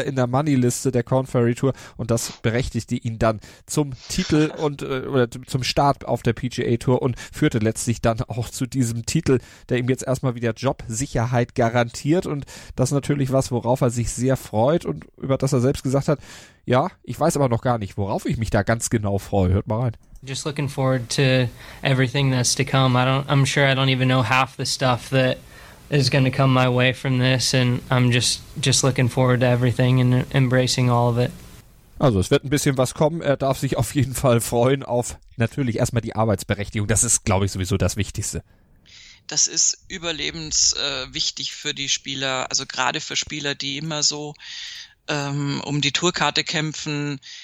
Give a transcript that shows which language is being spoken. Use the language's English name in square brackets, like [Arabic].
[German] in der Moneyliste der Korn Ferry Tour und das berechtigte ihn dann zum Titel und oder zum Start auf der PGA Tour und führte letztlich dann auch zu diesem Titel, der ihm jetzt erstmal wieder Jobsicherheit garantiert und das ist natürlich was, worauf er sich sehr freut und über das er selbst gesagt hat, ja, ich weiß aber noch gar nicht, worauf ich mich da ganz genau freue. Hört mal rein. [English] Just looking forward to everything that's to come. I'm sure I don't even know half the stuff that is going to come my way from this. And I'm just looking forward to everything and embracing all of it. [German] Also es wird ein bisschen was kommen. Er darf sich auf jeden Fall freuen auf natürlich erstmal die Arbeitsberechtigung. Das ist, glaube ich, sowieso das Wichtigste. Das ist überlebenswichtig für die Spieler, also gerade für Spieler, die immer so um die Tourkarte kämpfen.